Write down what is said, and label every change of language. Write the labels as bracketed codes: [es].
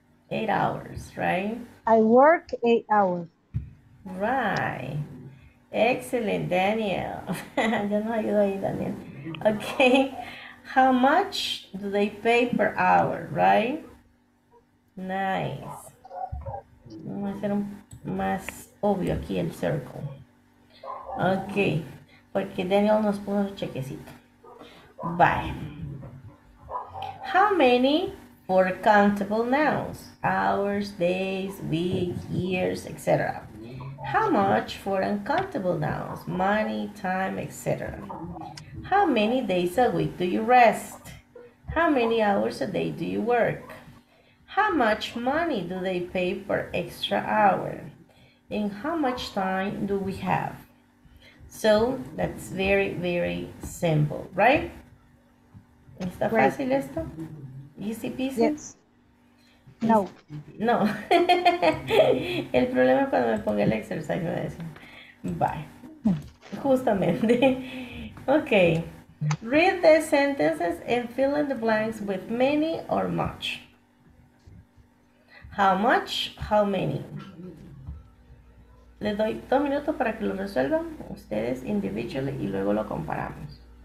[en] 8 hours, right? I work 8 hours. Right. Excellent, Daniel. [es] Ya nos ayuda ahí, Daniel. Okay. [en] How much do they pay per hour, right? Nice. [es] Vamos a hacer más obvio aquí el circle. Okay. Porque Daniel nos puso un chequecito. Bye. [en] How many for countable nouns? Hours, days, weeks, years, etc. How much for uncountable nouns? Money, time, etc. How many days a week do you rest? How many hours a day do you work? How much money do they pay per extra hour? And how much time do we have? So that's very, very simple, right? [es] ¿Está fácil esto? [en] Easy peasy? Yes. No. No. [es] El problema es cuando me ponga el exercise, me dice. [en] Bye. Justamente. Okay. Read the sentences and fill in the blanks with many or much. How much? How many? [es] Le doy 2 minutos para que lo resuelvan ustedes individually y luego lo comparamos.